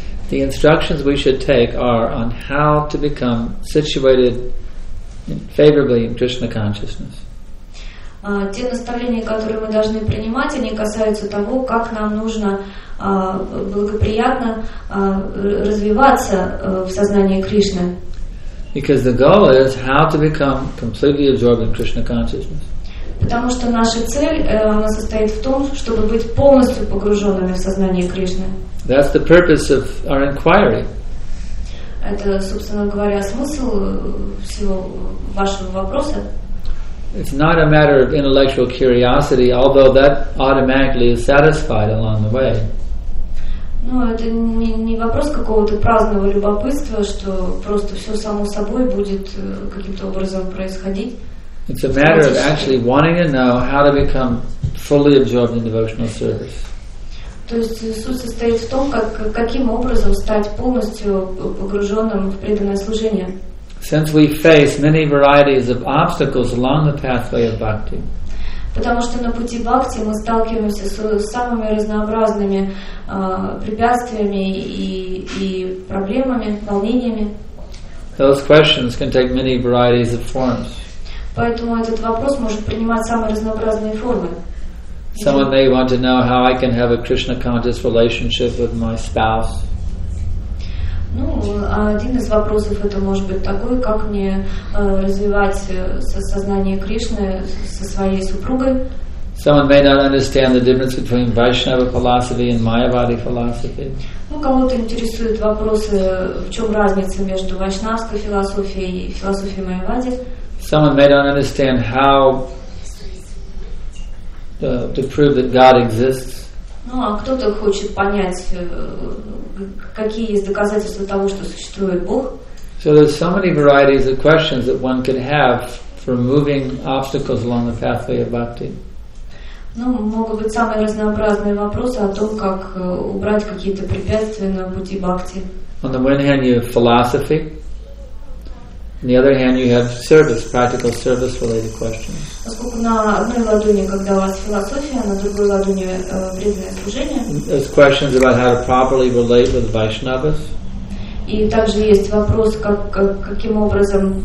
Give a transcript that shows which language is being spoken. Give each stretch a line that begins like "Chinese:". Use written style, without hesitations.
English: The instructions we should take are on how to become situated favorably in Krishna consciousness.
Russian: Те наставления, которые мы должны принимать, они касаются того, как нам нужно благоприятно развиваться в сознании Кришны.
English: Because the goal is how to become completely absorbed in Krishna consciousness.
Russian: Потому что наша цель, она состоит в том, чтобы быть полностью погруженными в сознание Кришны.
English: That's the purpose of our inquiry.
Russian: Это, собственно говоря, смысл всего вашего вопроса.
English: It's not a matter of intellectual curiosity, although that automatically is satisfied along the way.
Russian: Ну, это не вопрос какого-то праздного любопытства, что просто все само собой будет каким-то образом происходить.
English: It's a matter of actually wanting to know how to become fully absorbed in devotional service.
Russian: То есть суть состоит в том, каким образом стать полностью погруженным в преданное служение.
English: Since we face many varieties of obstacles along the pathway of bhakti.
Russian: Потому что на пути бхакти мы сталкиваемся с самыми разнообразными препятствиями и проблемами, волнениями.
English: Those questions can take many varieties of forms.
Russian: Поэтому этот вопрос может принимать самые разнообразные формы.
English: Someone may want to know how I can have a Krishna conscious relationship with my spouse.
Russian: Ну, один из вопросов это может быть такой, как мне развивать сознание Кришны со своей супругой.
English: Someone may not understand the difference between Vaishnava philosophy and Mayavadi philosophy.
Russian: Ну, кого-то интересуют вопросы, в чем разница между вайшнавской философией и философией Майявади.
English: Someone may not understand how to prove that God exists.
Russian: Ну, а кто-то хочет понять, какие есть доказательства того, что существует Бог.
English: So there's so many varieties of questions that one could have for removing obstacles along the pathway of bhakti.
Russian: Ну, могут быть самые разнообразные вопросы о том, как убрать какие-то препятствия на пути бхакти.
English: On the one hand, you have philosophy. On the other hand, you have service, practical service related questions.
Russian: Поскольку на одной ладони, когда у вас философия, на другой ладони вредное служение.
English: There's questions about how to properly relate with Vaishnavas.
Russian: И также есть вопрос, каким образом